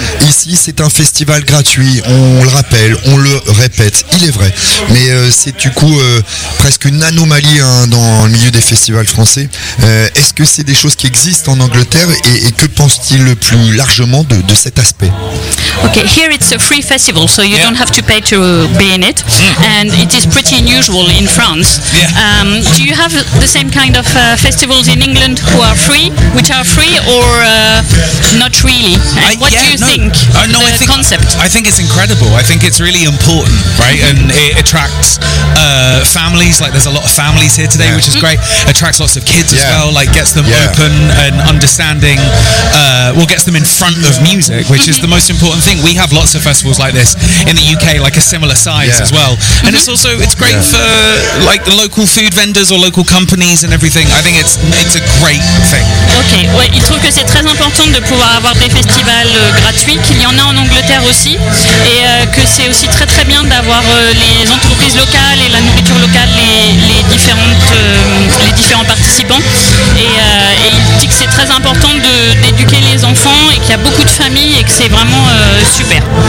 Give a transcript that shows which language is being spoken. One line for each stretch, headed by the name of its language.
French: Ici c'est un festival gratuit, on le rappelle, on le répète, il est vrai, mais c'est du coup presque une anomalie hein, dans le milieu des festivals français. Est-ce que c'est des choses qui existent en Angleterre, et que pense-t-il le plus largement de cet aspect?
English: Ok, here it's a free festival, so you don't have to pay to be in it, and it is pretty unusual in France. Do you have the same kind of festivals in England who are free, which are free or not really? What do you think of the concept? I think it's incredible. I think it's really important, right? Mm-hmm. And it attracts families. Like there's a lot of families here today, which is great. Attracts lots of kids as well. Like gets them open and understanding. Well, gets them in front of music, which is the most important thing. We have lots of festivals like this in the UK, like a similar size as well. And it's also, it's great for like the local food vendors or local companies and everything. I think it's a great thing.
French: Ok, ouais, il trouve que c'est très important de pouvoir avoir des festivals gratuits, qu'il y en a en Angleterre aussi, et que c'est aussi très très bien d'avoir les entreprises locales et la nourriture locale, les différents participants, et il dit que c'est très important d'éduquer les enfants, et qu'il y a beaucoup de familles, et que c'est vraiment super.